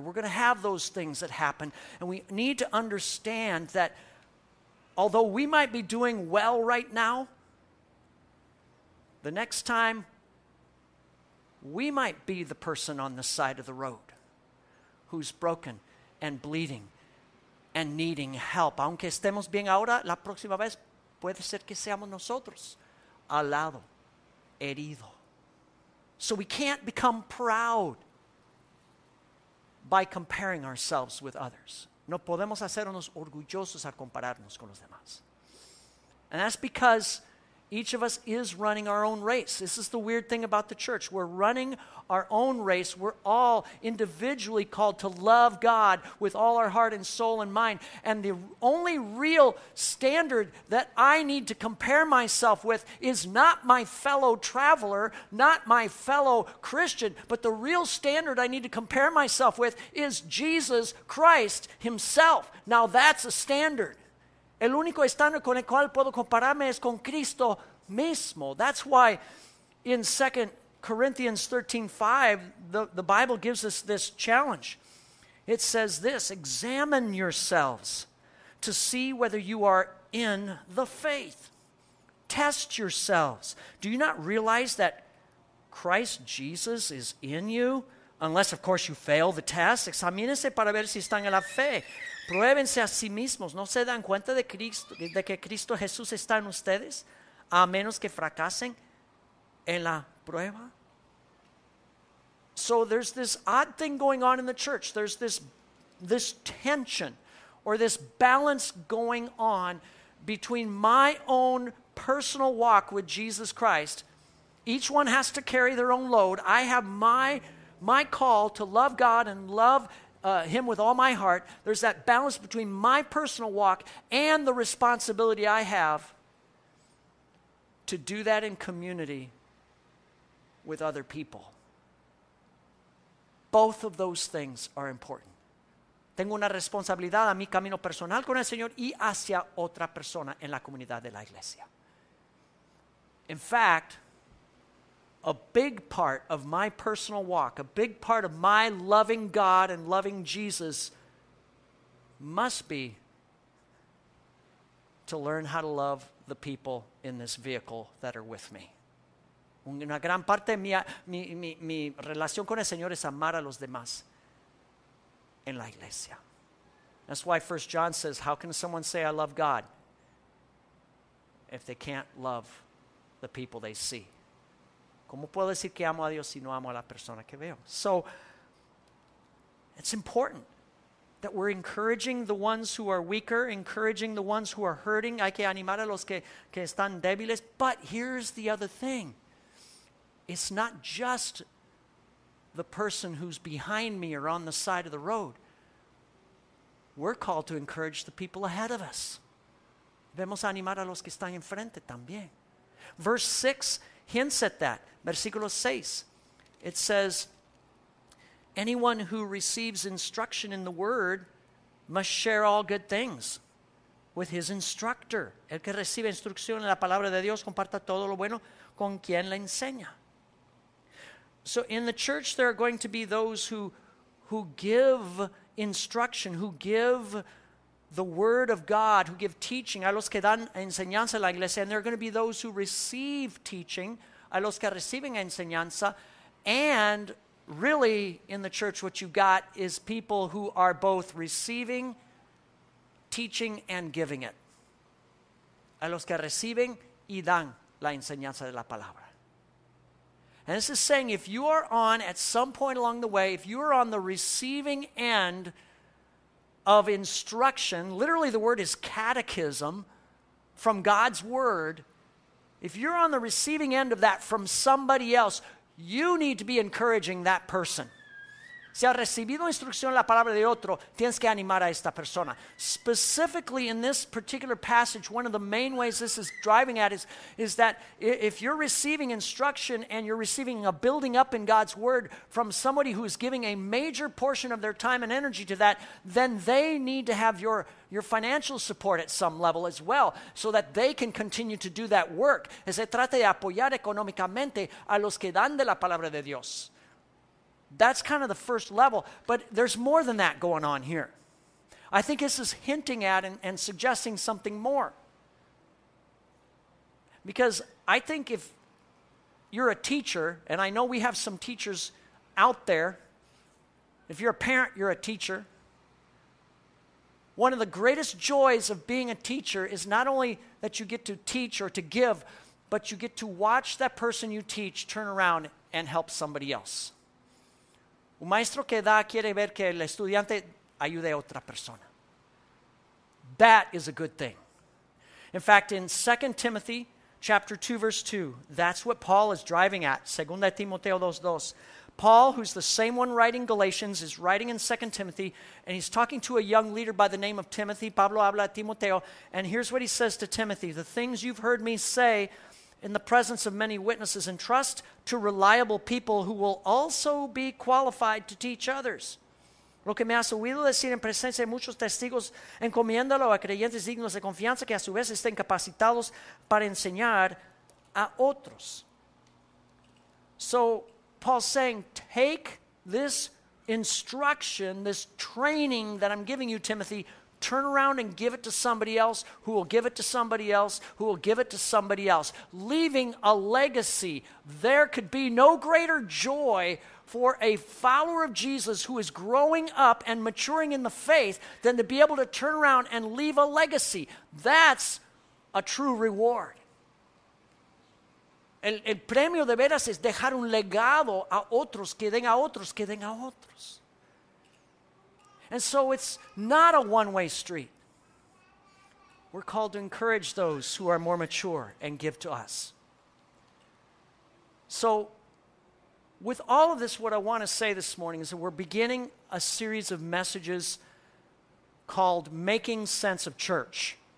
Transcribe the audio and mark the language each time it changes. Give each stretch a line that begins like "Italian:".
English: We're going to have those things that happen. And we need to understand that although we might be doing well right now, the next time, we might be the person on the side of the road who's broken and bleeding and needing help.
Spanish: Aunque estemos bien ahora, la próxima vez puede ser que seamos nosotros al lado, herido.
English: So we can't become proud by comparing ourselves with others.
Spanish: No podemos hacernos orgullosos al compararnos con los demás.
English: And that's because Each of us is running our own race. This is the weird thing about the church. We're running our own race. We're all individually called to love God with all our heart and soul and mind. And the only real standard that I need to compare myself with is not my fellow traveler, not my fellow Christian, but the real standard I need to compare myself with is Jesus Christ himself. Now that's a standard.
Spanish: El único estándar con el cual puedo compararme es con Cristo mismo.
English: That's why in 2 Corinthians 13:5, the Bible gives us this challenge. It says this, examine yourselves to see whether you are in the faith. Test yourselves. Do you not realize that Christ Jesus is in you? Unless, of course, you fail the test.
Spanish: Examínense para ver si están en la fe. Pruébense a sí mismos. ¿No se dan cuenta de Cristo, de que Cristo Jesús está en ustedes? A menos que fracasen en la prueba.
English: So there's this odd thing going on in the church. There's this tension or this balance going on between my own personal walk with Jesus Christ. Each one has to carry their own load. I have my call to love God and love him with all my heart. There's that balance between my personal walk and the responsibility I have to do that in community with other people. Both of those things are important.
Spanish: Tengo una responsabilidad a mi camino personal con el Señor y hacia otra persona en la comunidad de la iglesia.
English: In fact, a big part of my personal walk, a big part of my loving God and loving Jesus must be to learn how to love the people in this vehicle that are with me.
Spanish: Una gran parte de mi relación con el Señor es amar a los demás en la iglesia.
English: That's why 1 John says, how can someone say I love God if they can't love the people they see?
Spanish: ¿Cómo puedo decir que amo a Dios si no amo a la persona que veo?
English: So, it's important that we're encouraging the ones who are weaker, encouraging the ones who are hurting.
Spanish: Hay que animar a los que están débiles.
English: But here's the other thing. It's not just the person who's behind me or on the side of the road. We're called to encourage the people ahead of us.
Spanish: Debemos animar a los que están enfrente también.
English: Verse 6 hints at that.
Spanish: Versículo 6,
English: it says, anyone who receives instruction in the word must share all good things with his instructor.
Spanish: El que recibe instrucción en la palabra de Dios comparta todo lo bueno con quien le enseña.
English: So in the church there are going to be those who give instruction, who give the word of God, who give teaching.
Spanish: A los que dan enseñanza a la iglesia.
English: And there are going to be those who receive teaching.
Spanish: A los que reciben enseñanza.
English: And really in the church what you've got is people who are both receiving, teaching, and giving it.
Spanish: A los que reciben y dan la enseñanza de la palabra.
English: And this is saying if you are on at some point along the way, if you are on the receiving end of instruction, literally the word is catechism, from God's word, if you're on the receiving end of that from somebody else, you need to be encouraging that person.
Spanish: Si has recibido instrucción en la palabra de otro, tienes que animar a esta persona.
English: Specifically in this particular passage, one of the main ways this is driving at is that if you're receiving instruction and you're receiving a building up in God's word from somebody who is giving a major portion of their time and energy to that, then they need to have your financial support at some level as well so that they can continue to do that work.
Spanish: Se trata de apoyar económicamente a los que dan de la palabra de Dios.
English: That's kind of the first level, but there's more than that going on here. I think this is hinting at and suggesting something more. Because I think if you're a teacher, and I know we have some teachers out there, if you're a parent, you're a teacher. One of the greatest joys of being a teacher is not only that you get to teach or to give, but you get to watch that person you teach turn around and help somebody else.
Spanish: Un maestro que da quiere ver que el estudiante ayude a otra persona.
English: That is a good thing. In fact, in 2 Timothy chapter 2, verse 2. That's what Paul is driving at.
Spanish: Segunda Timoteo 2:2.
English: Paul, who's the same one writing Galatians, is writing in 2 Timothy, and he's talking to a young leader by the name of Timothy.
Spanish: Pablo habla a Timoteo,
English: and here's what he says to Timothy. The things you've heard me say in the presence of many witnesses, entrust to reliable people who will also be qualified to teach others.
Spanish: Lo que me has oído decir en presencia de muchos testigos, encomiéndalo a creyentes dignos de confianza que a su vez estén capacitados para enseñar a otros.
English: So, Paul's saying, take this instruction, this training that I'm giving you, Timothy, turn around and give it to somebody else who will give it to somebody else who will give it to somebody else, leaving a legacy. There could be no greater joy for a follower of Jesus who is growing up and maturing in the faith than to be able to turn around and leave a legacy. That's a true reward.
Spanish: El premio de veras es dejar un legado a otros, que den a otros, que den a otros.
English: And so it's not a one-way street. We're called to encourage those who are more mature and give to us. So with all of this, what I want to say this morning is that we're beginning a series of messages called Making Sense of Church.